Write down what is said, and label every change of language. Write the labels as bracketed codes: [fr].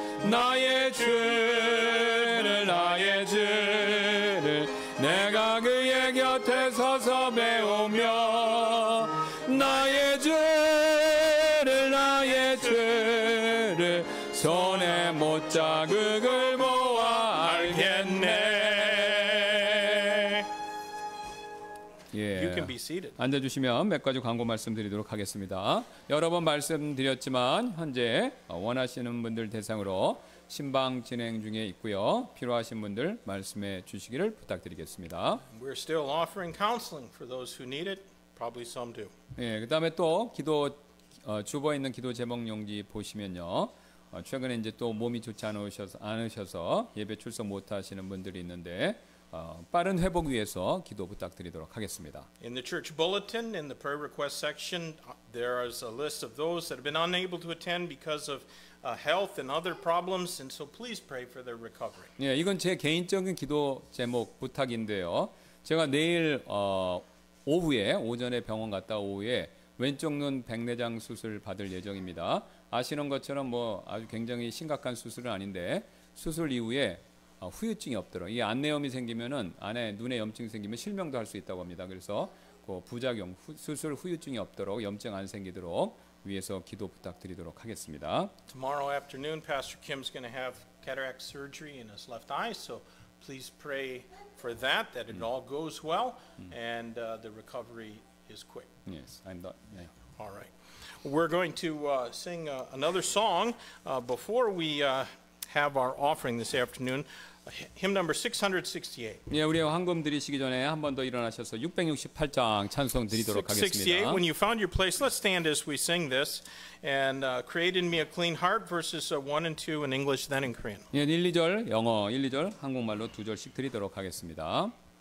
[ko] 나의 주를 나의 주를 내가 그의 곁에 서서 배우며 나의 주를 나의 주를 손에 못 자극을 모아 알겠네. [en] You can be seated. [ko] 앉아주시면 몇 가지 광고 말씀드리도록 하겠습니다. 여러 번 말씀드렸지만 현재 원하시는 분들 대상으로 신방 진행 중에 있고요. 필요하신 분들 말씀해 주시기를 부탁드리겠습니다. [en] We're still offering counseling for those who need it. Probably some do. [ko] 예, 그다음에 또 기도 주보에 있는 기도 제목 용지 보시면요. 최근에 이제 또 몸이 좋지 않으셔서 예배 출석 못 하시는 분들이 있는데 빠른 회복 위해서 기도 부탁드리도록 하겠습니다. [en] In the church bulletin in the prayer request section there is a list of those that have been unable to attend because of health and other problems and so please pray for their recovery. [ko] 예, 이건 제 개인적인 기도 제목 부탁인데요. 제가 내일 오전에 병원 갔다 오후에 왼쪽 눈 백내장 수술 받을 예정입니다. 아시는 것처럼 뭐 아주 굉장히 심각한 수술은 아닌데 수술 이후에 후유증이 없도록 이 안내염이 생기면은 안에 눈에 염증 생기면 실명도 할 수 있다고 합니다. 그래서 그 부작용 수술 후유증이 없도록 염증 안 생기도록 위해서 기도 부탁드리도록 하겠습니다. [en] Tomorrow afternoon, Pastor Kim's going to have cataract surgery in his left eye, so please pray for that. That it all goes well and the recovery is quick. Yes, I'm done. Yeah. All right, we're going to sing another song before we. Have our offering this afternoon, hymn number 668. [ko] 예, 우리 황금 드리시기 전에 한 번 더 일어나셔서 668장 찬송 드리도록 하겠습니다. [en] 668. When you found your place, let's stand as we sing this. And create in me a clean heart, verses 1 and 2 in English, then in Korean. [ko] 예, 1, 2절 영어, 1, 2절 한국말로 두 절씩 드리도록 하겠습니다.